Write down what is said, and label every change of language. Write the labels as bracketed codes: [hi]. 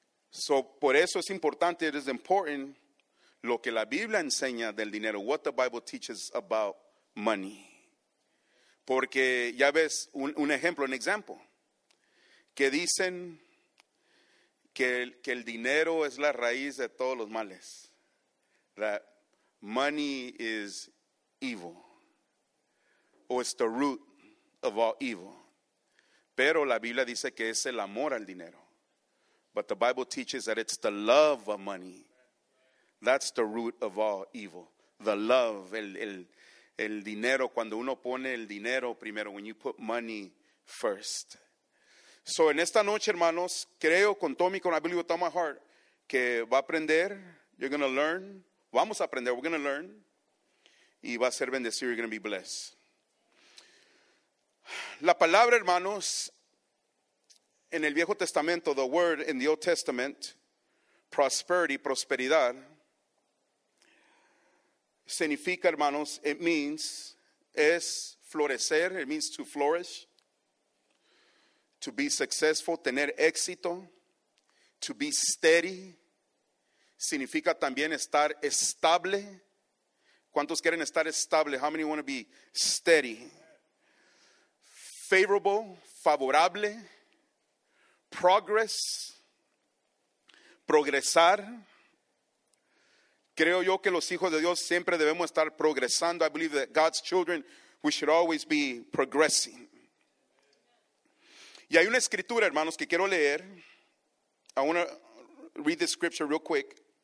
[es] So, por eso es importante, [en] it is important, [es] lo que la Biblia enseña del dinero, [en] what the Bible teaches about money. [es] Porque ya ves un ejemplo, un example, que dicen que el dinero es la raíz de todos los males. [en] That money is evil. O it's the root of all evil. [es] Pero la Biblia dice que es el amor al dinero. [en] But the Bible teaches that it's the love of money. That's the root of all evil. The love, [es] el dinero, cuando uno pone el dinero primero, [en] when you put money first. [es] So en esta noche, hermanos, creo con todo mi corazón, [en] I believe with all my heart, [es] que va a aprender, [en] you're going to learn, [es] vamos a aprender, [en] we're going to learn, [es] y va a ser bendecido, [en] you're going to be blessed. [es] La palabra, hermanos, en el Viejo Testamento, [en] the word in the Old Testament, prosperity, [es] prosperidad, significa, hermanos, [en] it means, [es] es florecer, [en] it means to flourish, to be successful, [es] tener éxito, [en] to be steady, [es] significa también estar estable. ¿Cuántos quieren estar estable? [en] How many want to be steady? Favorable, favorable, progress, progresar, [es] Creo yo que los hijos de Dios siempre debemos estar progresando. [en] I believe that God's children, we should always be progressing. [es] Y hay una escritura, hermanos, que quiero leer. [en] I want to read this scripture real quick.